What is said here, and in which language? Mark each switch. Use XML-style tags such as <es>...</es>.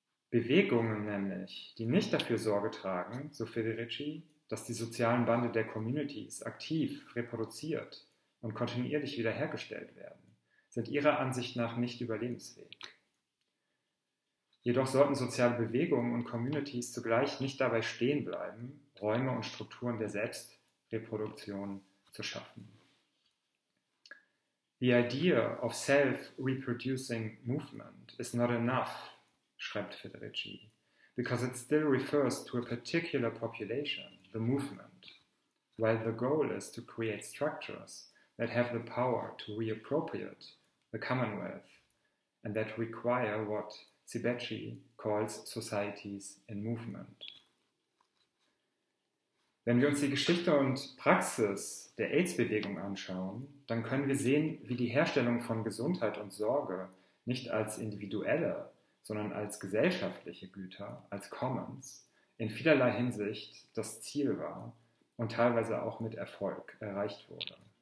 <de>Bewegungen nämlich, die nicht dafür Sorge tragen, so Federici, dass die sozialen Bande der Communities aktiv reproduziert und kontinuierlich wiederhergestellt werden, sind ihrer Ansicht nach nicht überlebensfähig. Jedoch sollten soziale Bewegungen und Communities zugleich nicht dabei stehen bleiben, Räume und Strukturen der Selbstreproduktion zu schaffen.</de> <en>The idea of self-reproducing movement is not enough,</en> <de>schreibt Federici,</de> <en>because it still refers to a particular population, the movement, while the goal is to create structures that have the power to reappropriate the commonwealth and that require what Cibecci calls societies in movement.</en> <de>Wenn wir uns die Geschichte und Praxis der AIDS-Bewegung anschauen, dann können wir sehen, wie die Herstellung von Gesundheit und Sorge nicht als individuelle, sondern als gesellschaftliche Güter, als Commons, in vielerlei Hinsicht das Ziel war und teilweise auch mit Erfolg erreicht wurde.</de>